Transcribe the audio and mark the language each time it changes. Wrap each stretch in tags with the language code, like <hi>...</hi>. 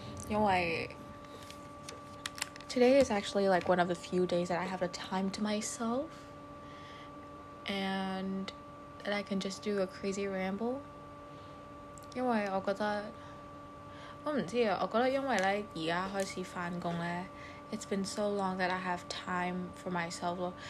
<zh>因為</zh> <en>today is actually like one of the few days that I have the time to myself, and that I can just do a crazy ramble.</en> <zh>因為我覺得我唔知啊，我覺得因為咧而家開始翻工咧。</zh> <en>It's been so long that I have time for myself.</en>